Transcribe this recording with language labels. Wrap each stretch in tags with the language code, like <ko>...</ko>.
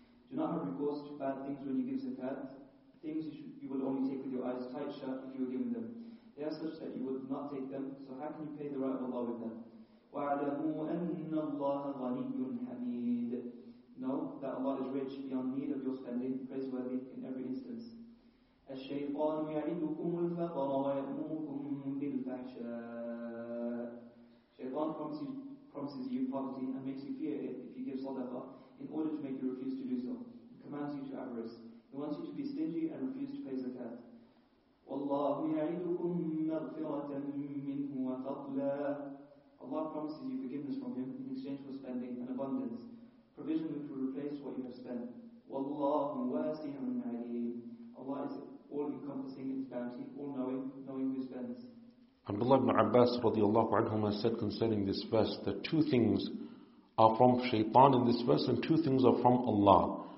<en>Do not have recourse to bad things when you give zakat, things you will only take with your eyes tight shut if you are given them. They are such that you would not take them, so how can you pay the right of Allah with them?</en> <ar>وَعَلَمُوا أَنَّ اللَّهَ غَنِيٌّ حَمِيدٌ.</ar> <en>Know that Allah is rich beyond need of your spending, praiseworthy in every instance.</en> <ar>الشيطان يعدكم الفقر ويأمركم بالفحشاء.</ar> <en>Shaytan promises you poverty and makes you fear it if you give sadaqah in order to make you refuse to do so. He commands you to avarice. He wants you to be stingy and refuse to pay zakat.</en> <ar>والله يعدكم مغفرة منه وفضلا.</ar> <en>Allah promises you forgiveness from him in exchange for spending and abundance. Provision which will replace what you have spent.</en> <ar>Wallahu wasi'un 'aleem.</ar> <en>Allah is all encompassing in his bounty, all knowing who spends. Abdullah ibn Abbas radiallahu anhu said concerning this verse that two things are from shaitan in this verse and two things are from Allah.</en>